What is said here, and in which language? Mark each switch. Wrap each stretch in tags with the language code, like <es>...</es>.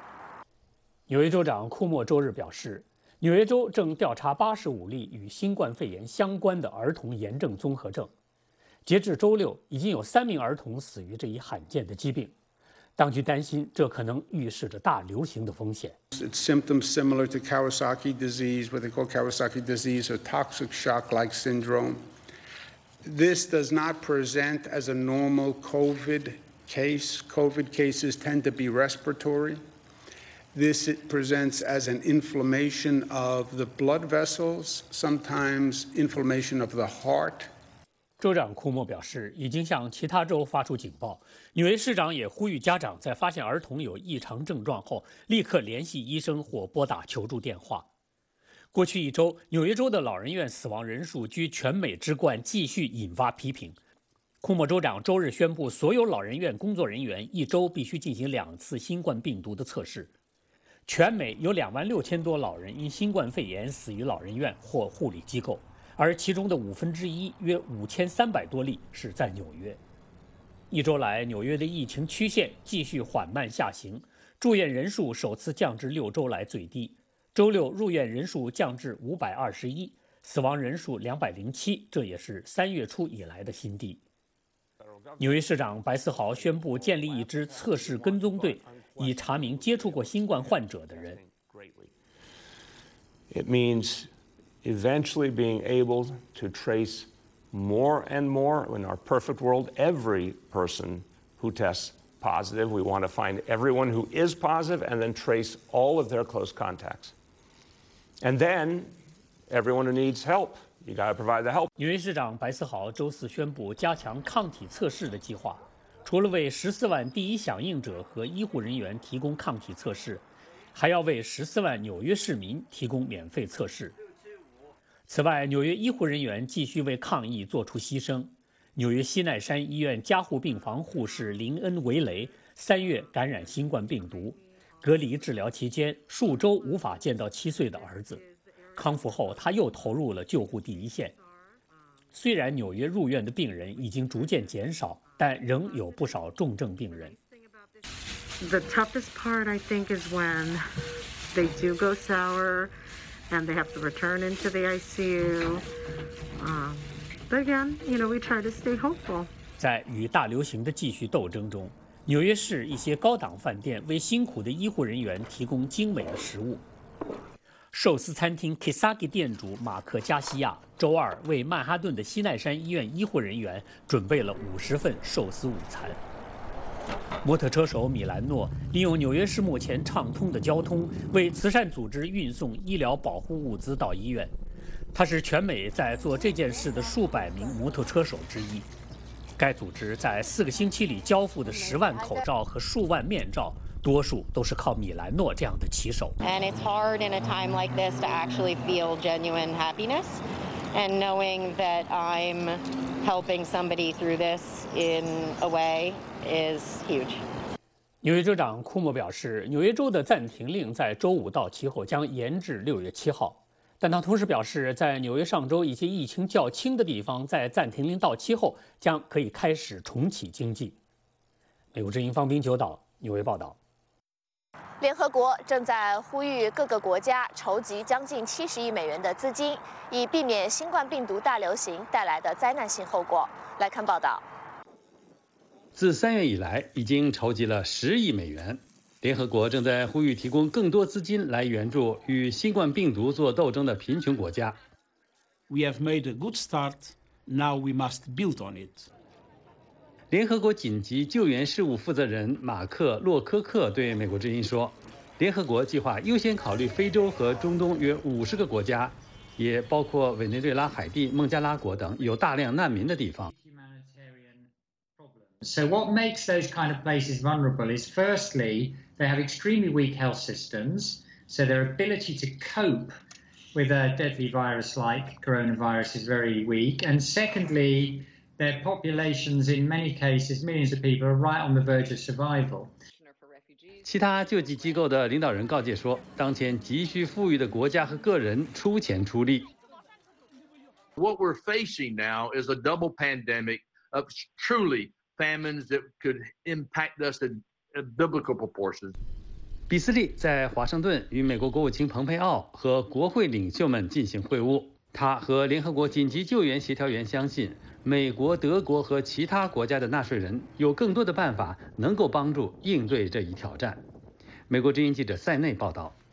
<zh>不佩戴口罩。以上是白宫记者黄耀毅发自白宫前面的报道。美国新冠疫情最严重的州纽约州，目前各个数据都恢复到了2个月前的水平。不过，有一种新出现的与新冠病毒有关的儿童疾病继续困扰着这个州，它是否会形成更大的流行？我们来看美国之音驻纽约记者方斌的报道。纽约州长库莫周日表示， 纽约州正调查85例与新冠肺炎相关的儿童炎症综合症，截至周六，已经有3名儿童死于这一罕见的疾病。当局担心这可能预示着大流行的风险。</zh> <en>It's symptoms similar to Kawasaki disease, what they call Kawasaki disease, or toxic shock-like syndrome. This does not present as a normal COVID case. COVID cases tend to be respiratory. This presents as an inflammation of the blood vessels, sometimes inflammation of the heart.</en> <zh>州长库莫表示，已经向其他州发出警报。纽约市长也呼吁家长在发现儿童有异常症状后，立刻联系医生或拨打求助电话。过去一周，纽约州的老人院死亡人数居全美之冠，继续引发批评。库莫州长周日宣布，所有老人院工作人员一周必须进行两次新冠病毒的测试。全美有26000多老人因新冠肺炎死于老人院或护理机构，而其中的1/5，约5300多例是在纽约。一周来，纽约的疫情曲线继续缓慢下行，住院人数首次降至6周来最低。周六入院人数降至521，死亡人数207，这也是3月初以来的新低。纽约市长白思豪宣布建立一支测试跟踪队，以查明接触过新冠患者的人。</zh> <en>It means eventually being able to trace more and more in our perfect world every person who tests positive. We want to find everyone who is positive and then trace all of their close contacts. And then everyone who needs help. You gotta provide the help.</en> <zh>纽约市长白思豪周四宣布加强抗体测试的计划，除了为14万第一响应者和医护人员提供抗体测试，还要为14万纽约市民提供免费测试。此外，纽约医护人员继续为抗疫做出牺牲。纽约西奈山医院加护病房护士林恩·维雷3月感染新冠病毒，隔离治疗期间数周无法见到7岁的儿子。康复后，他又投入了救护第一线。虽然纽约入院的病人已经逐渐减少，但仍有不少重症病人。</zh> <en>The toughest part, I think, is when they do go sour and they have to return into the ICU. But again, you know, we try to stay hopeful.</en> <zh>在与大流行的继续斗争中，纽约市一些高档饭店为辛苦的医护人员提供精美的食物。寿司餐厅 Kisagi 店主马克·加西亚周二为曼哈顿的西奈山医院医护人员准备了50份寿司午餐。摩托车手米兰诺利用纽约市目前畅通的交通为慈善组织运送医疗保护物资到医院，他是全美在做这件事的数百名摩托车手之一。该组织在4个星期里交付的10万口罩和数万面罩，多数都是靠米兰诺这样的骑手。</zh> <en>And it's hard in a time like this to actually feel genuine happiness, and knowing that I'm helping somebody through this in a way is huge.</en> <zh>纽约州长库莫表示，纽约州的暂停令在周五到期后将延至6月7号，但他同时表示，在纽约上周一些疫情较轻的地方，在暂停令到期后将可以开始重启经济。美国之音方冰九岛纽约报道。联合国正在呼吁各个国家筹集将近70亿美元的资金，以避免新冠病毒大流行带来的灾难性后果。来看报道。自3月以来，已经筹集了10亿美元。联合国正在呼吁提供更多资金来援助与新冠病毒做斗争的贫穷国家。</zh> <en>We have made a good start. Now we must build on it.</en> <zh>联合国紧急救援事务负责人马克·洛科克对美国之音说，联合国计划优先考虑非洲和中东约50个国家，也包括委内瑞拉、海地、孟加拉国等有大量难民的地方。</zh> <en>So what makes those kind of places vulnerable is firstly, they have extremely weak health systems, so their ability to cope with a deadly virus like coronavirus is very weak. And secondly,Their populations, in many cases, millions of people are right on the verge of survival.</en> <zh>其他救济机构的领导人告诫说，当前急需富裕的国家和个人出钱出力。</zh> <en>What we're facing now is a double pandemic of truly famines that could impact us in biblical proportions.</en> <zh>比斯利在华盛顿与美国国务卿蓬佩奥和国会领袖们进行会晤。他和联合国紧急救援协调员相信，美国、德国和其他国家的纳税人有更多的办法能够帮助应对这一挑战。美国之音记者塞内报道。</zh>